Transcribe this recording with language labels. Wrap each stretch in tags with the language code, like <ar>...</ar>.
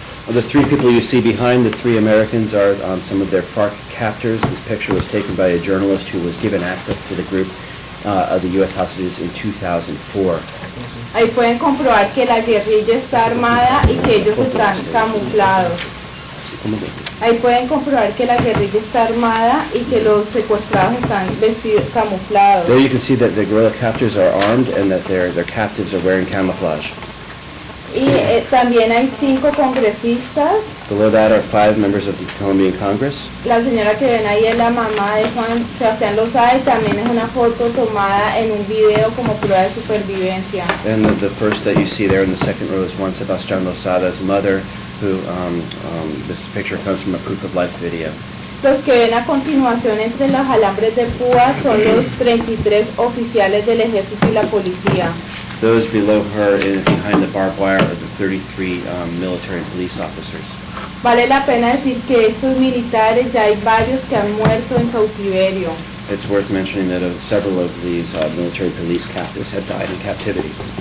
<en>The three people you see behind the three Americans are some of their FARC captors. This picture was taken by a journalist who was given access to the group of the U.S. hostages in 2004.</en> <es>Ahí pueden comprobar que la guerrilla está armada y que ellos están camuflados. Ahí pueden comprobar que la guerrilla está armada y que los secuestrados están vestidos camuflados.</es> <en>There you can see that the guerrilla captors are armed and that their captives are wearing camouflage.</en> <es>también hay cinco congresistas.</es> <en>Below that are five members of the Colombian Congress.</en> <es>La señora que ven ahí es la mamá de Juan Sebastián Lozada, también es una foto tomada en un video como prueba de supervivencia.</es> <en>And the first that you see there in the second row is Juan Sebastián Lozada's mother, who this picture comes from a proof of life video.</en> <es>Los que ven a continuación entre los alambres de púa son los 33 oficiales del ejército y la policía.</es> <en>Those below her and behind the barbed wire are the 33 military and police officers.</en> <es>Vale la pena decir que estos militares ya hay varios que han muerto en cautiverio.</es> <en>It's worth mentioning that several of these military police captives have died in captivity.</en>